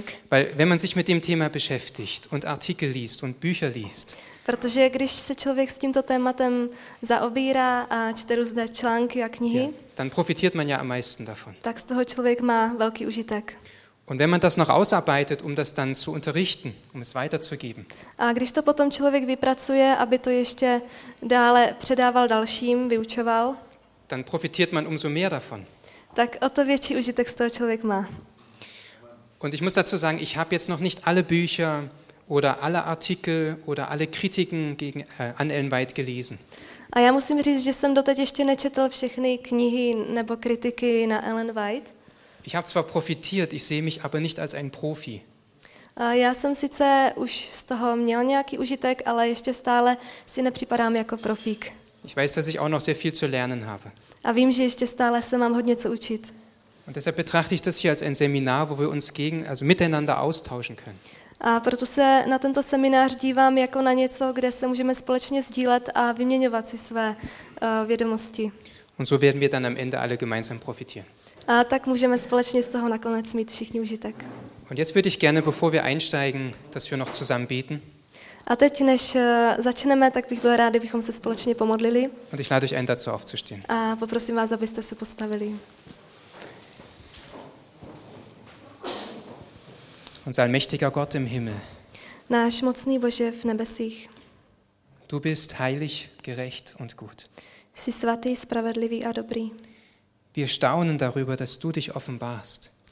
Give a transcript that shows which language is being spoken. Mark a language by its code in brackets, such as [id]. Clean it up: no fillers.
[de] Weil wenn man sich mit dem Thema beschäftigt und Artikel liest und Bücher liest, [cs] Protože když se člověk s tímto tématem zaobírá a čte různé články a knihy, [de] dann profitiert man ja am meisten davon. [cs] Tak z toho člověk má velký užitek. [de] Und wenn man das noch ausarbeitet, um das dann zu unterrichten, um es weiterzugeben. [cs] A když to potom člověk vypracuje, aby to ještě dále předával dalším, vyučoval, [de] dann profitiert man umso mehr davon. [cs] Tak o to větší užitek z toho člověk má. [de] Und ich muss dazu sagen, ich habe jetzt noch nicht alle Bücher oder alle Artikel oder alle Kritiken gegen an Ellen White gelesen. [cs] A já musím říct, že jsem doteď ještě nečetl všechny knihy nebo kritiky na Ellen White. [de] Ich habe zwar profitiert, ich sehe mich aber nicht als ein Profi. [cs] A já jsem sice už z toho měl nějaký užitek, ale ještě stále si nepřipadám jako profík. [de] Ich weiß, dass ich auch noch sehr viel zu lernen habe. [cs] A vím, že ještě stále se mám hodně co učit. [de] Und deshalb betrachte ich das hier als ein Seminar, wo wir uns also miteinander austauschen können. [cs] A proto se na tento seminář dívám jako na něco, kde se můžeme společně sdílet a vyměňovat si své vědomosti. [de] Und so werden wir dann am Ende alle gemeinsam profitieren. [cs] A tak můžeme společně z toho nakonec mít všichni užitek. [de] Und jetzt würde ich gerne, bevor wir einsteigen, dass wir noch zusammen beten. [cs] A teď, než začneme, tak bych byl rád, kdybychom se společně pomodlili. [de] Und ich lade euch ein, dazu aufzustehen. [cs] A poprosím vás, abyste se postavili. [de] Unser allmächtiger Gott im Himmel. [cs] Náš mocný Bože v nebesích. [de] Du bist heilig, gerecht und gut. [cs] Jsi svatý, spravedlivý a dobrý. [de] Wir staunen darüber, dass du dich offenbarst.